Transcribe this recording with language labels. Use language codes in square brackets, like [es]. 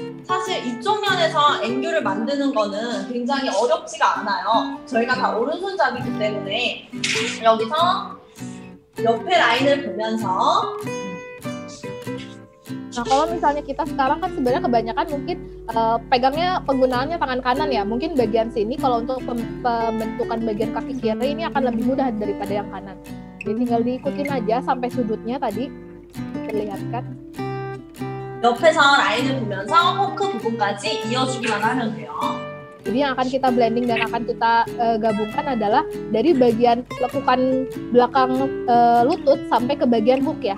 [ko] 사실 이쪽면에서 앵귤을 만드는 거는 굉장히 어렵지가 않아요. 저희가 다 오른손잡이기 때문에 여기서 옆에 라인을 보면서. [id] Nah, kalau misalnya kita sekarang kan sebenarnya kebanyakan mungkin pegangnya, penggunaannya tangan kanan ya. Mungkin bagian sini kalau untuk pembentukan bagian kaki kiri ini akan lebih mudah daripada yang kanan. Jadi tinggal diikutin aja sampai sudutnya tadi terlihatkan. [ko] 옆에서 라인을 보면서 포크 부분까지 이어주기만 하면 돼요. [id] Jadi yang akan kita blending dan akan kita gabungkan adalah dari bagian lekukan belakang lutut sampai ke bagian hook ya.